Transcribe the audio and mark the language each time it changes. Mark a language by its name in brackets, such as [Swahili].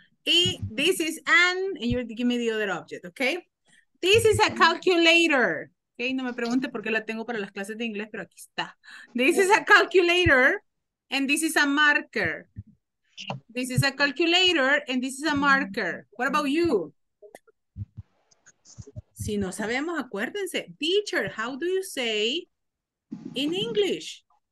[English] Y this is an, and you give me the other object, okay? This is a calculator. [Spanish] Okay, no me pregunte por qué la tengo para las clases de inglés, pero aquí está. [English] This is a calculator, and this is a marker. This is a calculator, and this is a marker. What about you? [Spanish] Si no sabemos, acuérdense. [English] Teacher, how do you say in English?